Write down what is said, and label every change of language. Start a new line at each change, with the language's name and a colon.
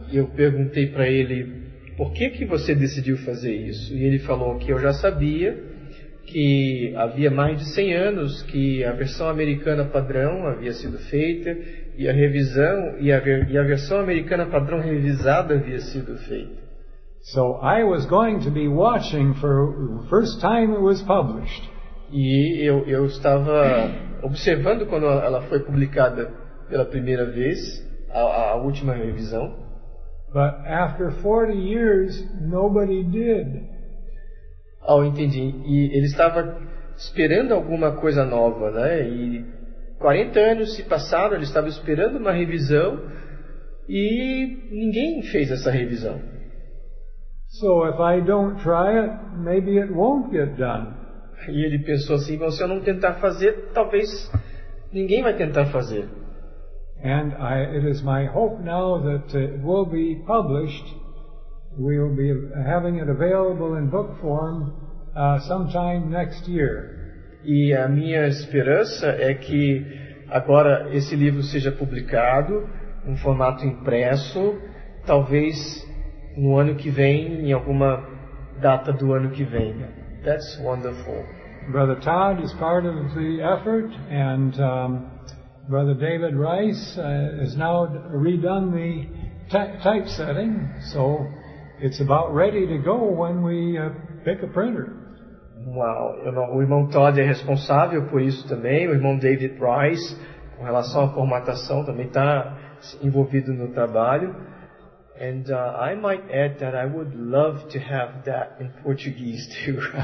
Portuguese: Eu perguntei para ele, por que que você decidiu fazer isso? E ele falou que eu já sabia que havia mais de 100 anos que a versão americana padrão havia sido feita, e a revisão, e a versão americana padrão revisada havia sido feita.
English: So I was going to be watching for the first time it was published.
Portuguese: E eu estava observando quando ela foi publicada pela primeira vez, a última revisão.
English: But after 40 years, nobody did.
Portuguese: Oh, entendi. E ele estava esperando alguma coisa nova, né? E 40 anos se passaram, ele estava esperando uma revisão e ninguém fez essa revisão.
English: So if I don't try it, maybe it won't get done.
Portuguese: E ele pensou assim, se eu não tentar fazer, talvez ninguém vai tentar fazer.
English: And it is my hope now that it will be published. We will be having it available in book form sometime next year.
Portuguese: E a minha esperança é que agora esse livro seja publicado em formato impresso, talvez no ano que vem, em alguma data do ano que vem.
English: That's wonderful. Brother Todd is part of the effort, and Brother David Rice has now redone the typesetting, so it's about ready to go when we pick a printer. Wow.
Portuguese: O irmão Todd é responsável por isso também, o irmão David Rice, com relação à formatação, também está envolvido no trabalho.
English: And I might add that I would love to have that in Portuguese too.